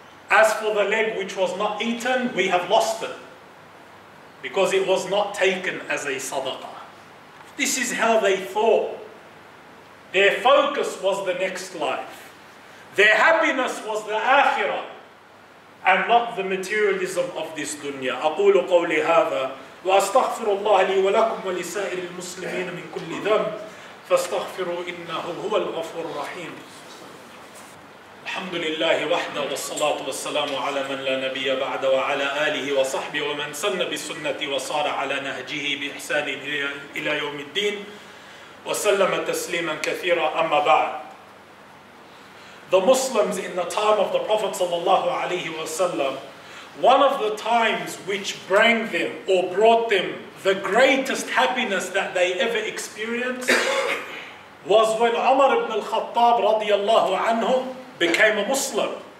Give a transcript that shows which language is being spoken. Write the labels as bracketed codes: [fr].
[en] As for the leg which was not eaten, we have lost it. Because it was not taken as a sadaqah. This is how they thought. Their focus was the next life. Their happiness was the akhirah, and not the materialism of this dunya. [ar] أقول قولي هذا وأستغفر الله لي ولكم ولسائر المسلمين من كل ذنب فاستغفروا إنه هو الغفور الرحيم. الحمد لله وحده والصلاة والسلام على من لا نبي بعد وعلى آله وصحبه ومن سن بالسنة وصار على نهجه بإحسان إلى يوم الدين وسلم تسليما كثيرا أما بعد. [en] The Muslims in the time of the Prophet sallallahu alaihi wasallam, one of the times which bring them or brought them the greatest happiness that they ever experienced was when Umar ibn al-Khattab radiallahu anhu became a Muslim.